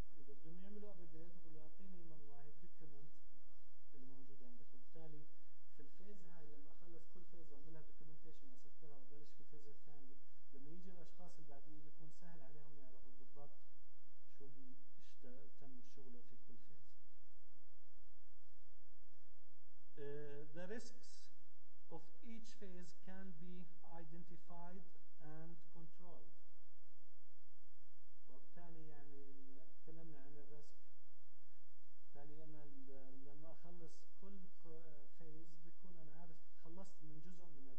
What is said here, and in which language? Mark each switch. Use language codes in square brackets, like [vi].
[ar] إذا بدهم يعملوا upgrade تقول له أعطيني من الله الدوكيومنت اللي موجود عندك. وبالتالي في الفيز هاي لما أخلص كل فيز وأعملها documentation وأسكرها وبلش في الفيز الثاني، لما يجي الأشخاص البعدين بيكون سهل عليهم يعرفوا بالضبط شو اللي تم شغله في كل فيز. [en] The risks of each phase can be identified and controlled. [ar] وبالتالي يعني تكلمنا عن الريسك، بالتالي أنا لما أخلص كل فيز بيكون أنا عارف خلصت من جزء من